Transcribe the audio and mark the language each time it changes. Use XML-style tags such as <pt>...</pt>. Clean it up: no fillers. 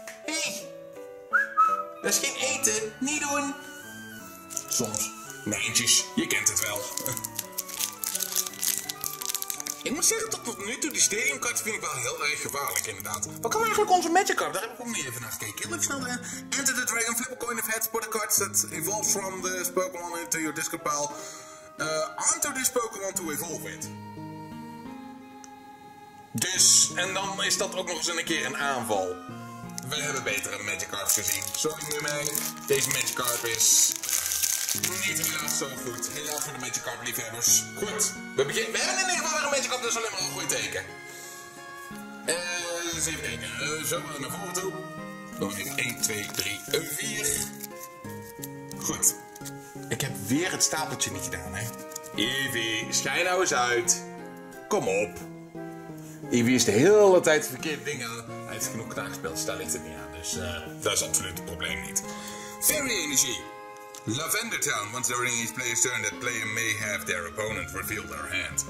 <nl>Hé. Hey. Dat is geen eten. Niet doen. Soms. Mijntjes, je kent het wel. Ik moet zeggen, tot nu toe, die stadiumkaart vind ik wel heel erg gevaarlijk, inderdaad. Wat kan eigenlijk onze Magic Card? Daar heb ik ook niet even naar gekeken. Heel even snel erin.</nl> <en>Enter the Dragon, flip a coin of heads, put a card that evolves from the Pokémon into your disco pile. Onto this Pokémon to evolve it.</en> <nl>Dus, en dan is dat ook nog eens een keer een aanval. We hebben betere Magic Card gezien. Sorry nu mee, deze Magic Card is... niet helaas zo goed. Helaas voor de Magic Card liefhebbers. Goed, we hebben in ieder geval weer een Magic Card, dus alleen maar een goed teken. Eens even kijken. Zo maar naar voren toe. Nog even 1, 2, 3, 4. Goed. Ik heb weer het stapeltje niet gedaan, hè. Eevee, schijn nou eens uit. Kom op. Eevee is de hele tijd verkeerde dingen. Hij heeft genoeg nagespeeld, dus daar ligt het niet aan. Dus dat is absoluut het probleem niet. Fairy Energy.</nl> <en>Lavender Town, once during each player's turn, that player may have their opponent reveal their hand.</en>